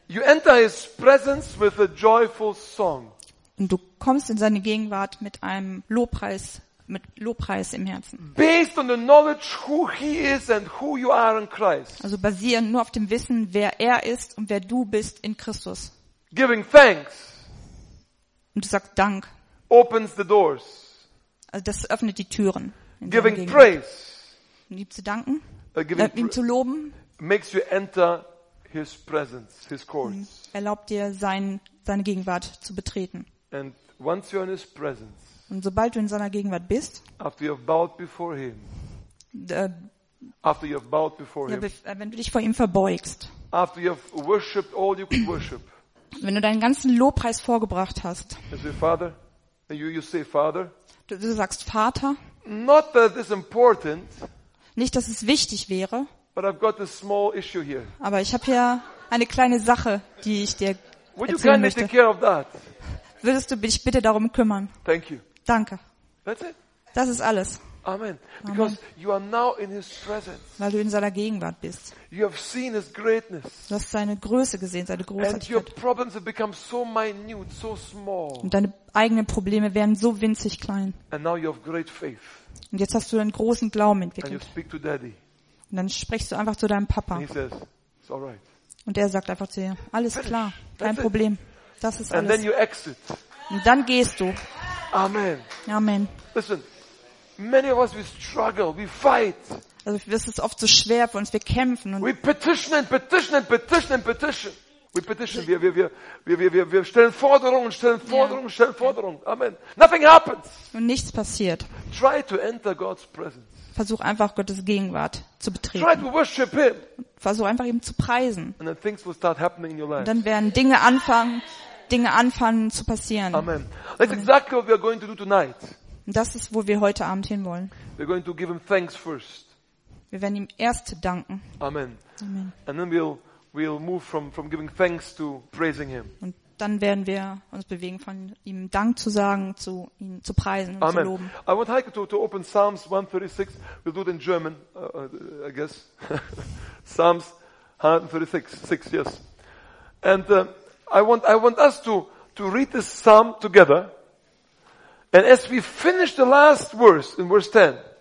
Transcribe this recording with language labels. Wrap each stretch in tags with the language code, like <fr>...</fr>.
<en>You enter his presence with a joyful song.</en> <de>Und du kommst in seine Gegenwart mit einem Lobpreis, mit Lobpreis im Herzen.</de> <en>Based on the knowledge who he is and who you are in Christ.</en> <de>Also basierend nur auf dem Wissen, wer er ist und wer du bist in Christus.</de> <en>Giving thanks.</en> <de>Und du sagst Dank.</de> <en>Opens the doors.</en> <de>Also das öffnet die Türen.</de> <en>Giving praise.</en> <de>Ihm zu danken. Ihm zu loben.</de> <en>Makes you enter his presence, his courts.</en> <de>Erlaubt dir seine Gegenwart zu betreten.</de> <en>And once you're in his presence.</en> <de>Und sobald du in seiner Gegenwart bist.</de> <en>After you've bowed before him. After you've bowed before him.</en> <de>Wenn du dich vor ihm verbeugst.</de> <en>After you've worshipped all you could worship.</en> <de>Wenn du deinen ganzen Lobpreis vorgebracht hast.</de> <en>As your father. You say Father.</en> <de>Du sagst Vater.</de> <en>Not that this important.</en> <de>Nicht, dass es wichtig wäre.</de> <en>But I've got a small issue here.</en> <de>Aber ich habe hier eine kleine Sache, die ich dir</de> <en>would</en> <de>erzählen</de> <en>you kind</en> <de>möchte.</de> <en>Of take care of that?</en> <de>Würdest du dich bitte darum kümmern?</de> <en>Thank you.</en> <de>Danke.</de> <en>That's it.</en> <de>Das ist alles.</de> <en>Amen. Because Amen. You are now in his presence.</en> <de>Weil du in seiner Gegenwart bist.</de> <en>You have seen his greatness.</en> <de>Du hast seine Größe gesehen, seine Großartigkeit.</de> <en>And your problems have become so minute, so small.</en> <de>Und deine eigenen Probleme werden so winzig klein.</de> <en>And now you have great faith.</en> <de>Und jetzt hast du einen großen Glauben entwickelt.</de> <en>And you speak to Daddy.</en> <de>Und dann sprichst du einfach zu deinem Papa.</de> <en>And he says, it's all right.</en> <de>Und er sagt einfach zu dir, alles Finish. Klar, kein Problem. Das ist</de> <en>And</en> <de>alles.</de> <en>Then you exit.</en> <de>Und dann gehst du. Amen. Amen.</de> <en>Listen. Many of us we struggle, we fight.</en> <de>Also es ist oft so schwer für uns, wir kämpfen und</de> <en>we petition and petition and petition and petition. We petition.</en> <de>Wir stellen Forderungen, stellen Forderungen, yeah. stellen Forderungen. Amen.</de> <en>Nothing happens.</en> <de>Und nichts passiert.</de> <en>Try to enter God's presence.</en> <de>Versuch einfach Gottes Gegenwart zu betreten.</de> <en>Try to worship him.</en> <de>Versuch einfach ihm zu preisen.</de> <en>And then things will start happening in your life.</en> <de>Und dann werden Dinge anfangen zu passieren.</de> <en>Amen. That's Amen. Exactly what we are going to do tonight.</en> <de>Das ist, wo wir heute Abend hinwollen.</de> <en>We're going to give him thanks first.</en> <de>Wir werden ihm erst danken. Amen. Amen.</de> <en>And then we'll move from giving thanks to praising him.</en> <de>Und dann werden wir uns bewegen, von ihm Dank zu sagen, zu ihn zu preisen und Amen. Zu loben.</de> <en>I want Heike to open Psalms 136. We'll do it in German, I guess. Psalms 136, 6, yes. And I want us to read this psalm together. And as we finish the last verse in verse 10.</en>